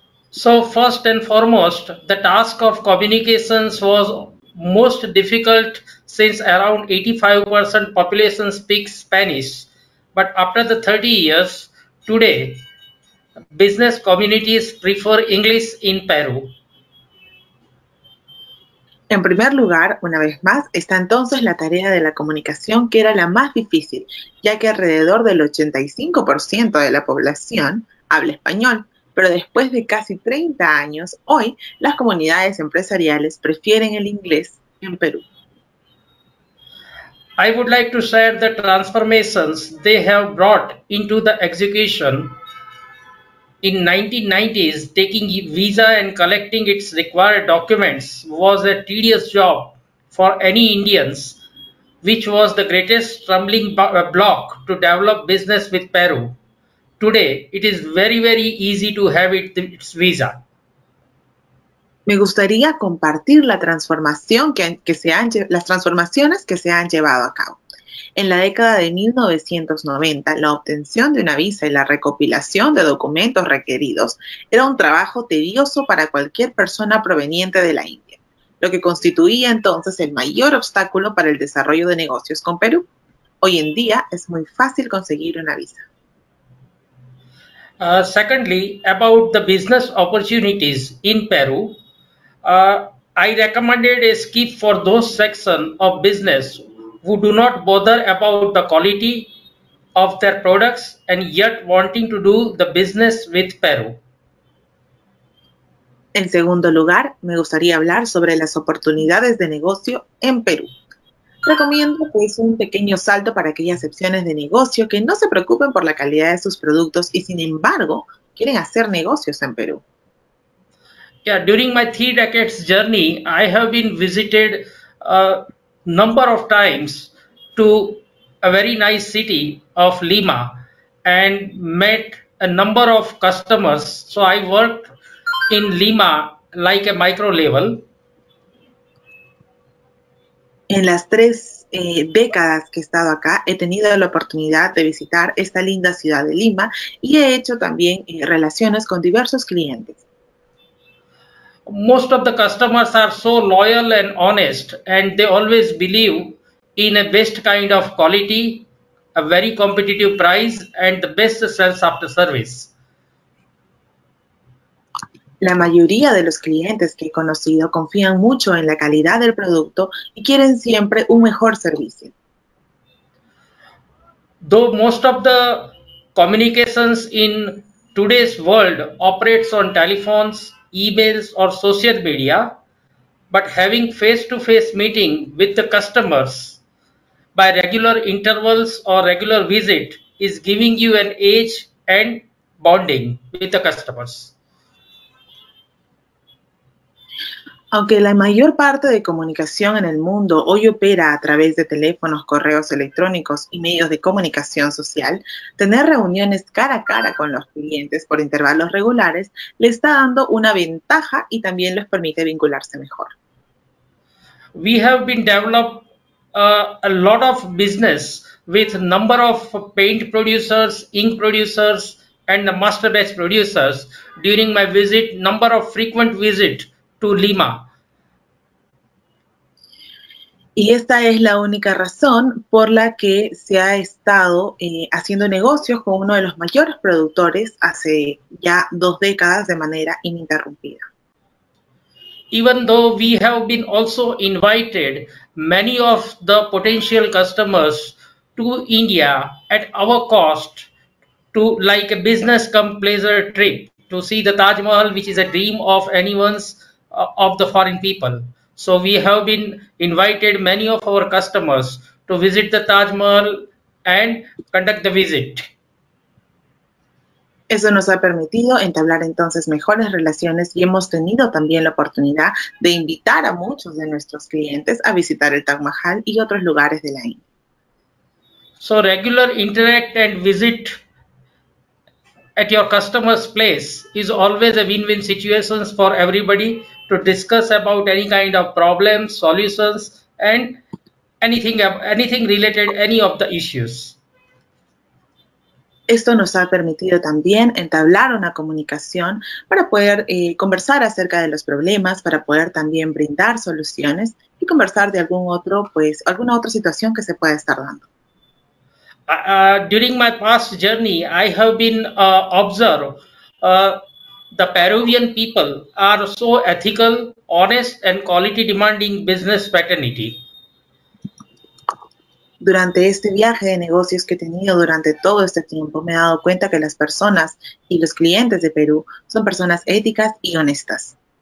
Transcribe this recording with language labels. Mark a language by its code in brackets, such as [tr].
[en] So, first and foremost, the task of communications was most difficult since around 85% population speaks Spanish. But after the 30 years, today, business communities prefer English in Peru. [es] En primer lugar, una vez más, está entonces la tarea de la comunicación, que era la más difícil, ya que alrededor del 85% de la población habla español, pero después de casi 30 años, hoy, las comunidades empresariales prefieren el inglés en Perú. [en] I would like to share the transformations they have brought into the execution. In 1990s, taking a visa and collecting its required documents was a tedious job for any Indians, which was the greatest stumbling block to develop business with Peru. Today, it is very, very easy to have its visa. [es] Me gustaría compartir la transformación las transformaciones que se han llevado a cabo. En la década de 1990, la obtención de una visa y la recopilación de documentos requeridos era un trabajo tedioso para cualquier persona proveniente de la India, lo que constituía entonces el mayor obstáculo para el desarrollo de negocios con Perú. Hoy en día es muy fácil conseguir una visa. [en] Secondly, about the business opportunities in Peru, I recommended a skip for those sections of business who do not bother about the quality of their products and yet wanting to do the business with Peru. [es] En segundo lugar, me gustaría hablar sobre las oportunidades de negocio en Perú. Recomiendo que es un pequeño salto para aquellas secciones de negocio que no se preocupen por la calidad de sus productos y sin embargo quieren hacer negocios en Perú. [en] Yeah, during my three decades journey, I have been visited number of times to a very nice city of Lima and met a number of customers. So I worked in Lima like a micro level. [es] En las tres décadas que he estado acá, he tenido la oportunidad de visitar esta linda ciudad de Lima y he hecho también relaciones con diversos clientes. [en] Most of the customers are so loyal and honest, and they always believe in a best kind of quality, a very competitive price, and the best sales after service. [es] La mayoría de los clientes que he conocido confían mucho en la calidad del producto y quieren siempre un mejor servicio. [en] Though most of the communications in today's world operates on telephones, emails or social media, but having face-to-face meeting with the customers by regular intervals or regular visit is giving you an edge and bonding with the customers. [es] Aunque la mayor parte de comunicación en el mundo hoy opera a través de teléfonos, correos electrónicos y medios de comunicación social, tener reuniones cara a cara con los clientes por intervalos regulares le está dando una ventaja y también les permite vincularse mejor. [en] We have been developed a lot of business with number of paint producers, ink producers and the master batch producers during my visit, number of frequent visit to Lima. [es] Y esta es la única razón por la que se ha estado haciendo negocios con uno de los mayores productores hace ya dos décadas de manera ininterrumpida. [en] Even though we have been also invited many of the potential customers to India at our cost, to like a business come pleasure trip to see the Taj Mahal, which is a dream of anyone's of the foreign people. So we have been invited many of our customers to visit the Taj Mahal and conduct the visit. [es] Eso nos ha permitido entablar entonces mejores relaciones y hemos tenido también la oportunidad de invitar a muchos de nuestros clientes a visitar el Taj Mahal y otros lugares de la India. [en] So regular interact and visit at your customer's place is always a win-win situation for everybody to discuss about any kind of problems, solutions and anything related any of the issues. [es] Esto nos ha permitido también entablar una comunicación para poder conversar acerca de los problemas, para poder también brindar soluciones y conversar de algún otro, pues, alguna otra situación que se pueda estar dando. [en] During my past journey, I have been observed the Peruvian people are so ethical, honest and quality demanding business fraternity. [es] Durante este viaje de negocios que he tenido durante todo este tiempo, me he dado cuenta que las personas y los clientes de Perú son personas éticas y honestas.